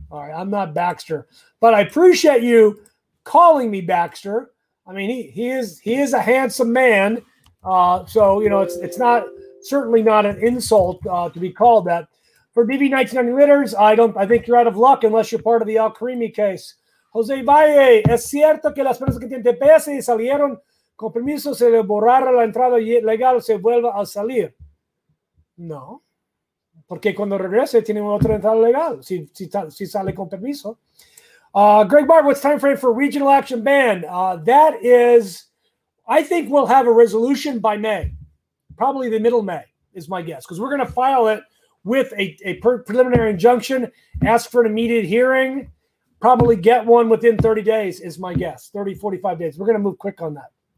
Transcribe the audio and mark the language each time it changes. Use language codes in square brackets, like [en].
[en] All right, I'm not Baxter. But I appreciate you calling me Baxter. I mean, he is a handsome man. So, you know, it's not certainly not an insult to be called that. For DB 1990 winners, I think you're out of luck unless you're part of the Al-Karimi case. [es] Jose Valle, es cierto que las personas que tienen TPS salieron con permiso se le borrara la entrada legal se vuelva a salir. No. Porque cuando regrese tiene otra entrada legal si sale con permiso. [en] Greg Bart, what's time frame for regional action ban? That is, I think we'll have a resolution by May. Probably the middle May is my guess, because we're going to file it with a preliminary injunction, ask for an immediate hearing, probably get one within 30 days is my guess, 30, 45 days. We're going to move quick on that.